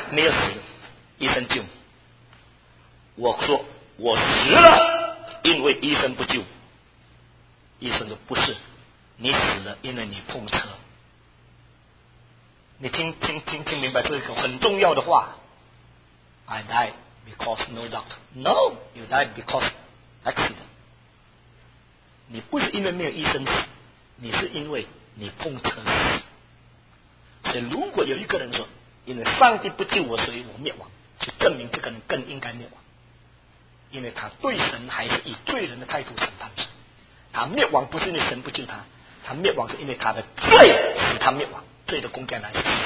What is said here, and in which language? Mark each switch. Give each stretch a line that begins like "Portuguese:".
Chinese: 没有死，医生救你，我说我死了，因为医生不救。医生说不是，你死了，因为你碰车。你听明白这个很重要的话。
English: I died because no doctor. No, you died because accident.
Chinese: 你不是因为没有医生死，你是因为你碰车死。所以如果有一个人说，因为上帝不救我，所以我灭亡，就证明这个人更应该灭亡。因为他对神还是以罪人的态度审判神，他灭亡不是因为神不救他，他灭亡是因为他的罪使他灭亡，罪的公价乃是死。